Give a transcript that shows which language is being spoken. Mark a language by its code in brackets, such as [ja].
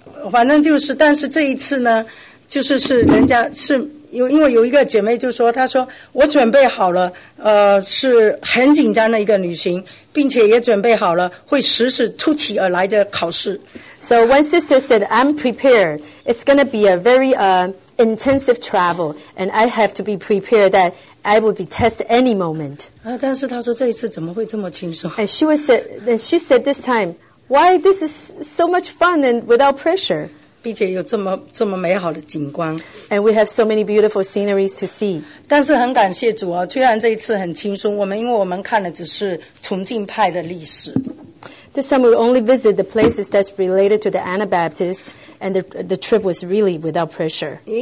[zh] 反正就是，但是这一次呢，就是人家是因为有一个姐妹就说，她说我准备好了，是很紧张的一个旅行，并且也准备好了会时时突起而来的考试。 [en] So one sister said, "I'm prepared. It's going to be a very intensive travel, and I have to be prepared that I will be tested any moment." And she said this time, why this is so much fun and without pressure? [zh] 并且有这么美好的景观。 [en] And we have so many beautiful sceneries to see. [zh] 但是很感谢主啊，虽然这一次很轻松，我们因为我们看的只是崇敬派的历史。 [en] This time we only visit the places that's related to the Anabaptist, and the trip was really without pressure.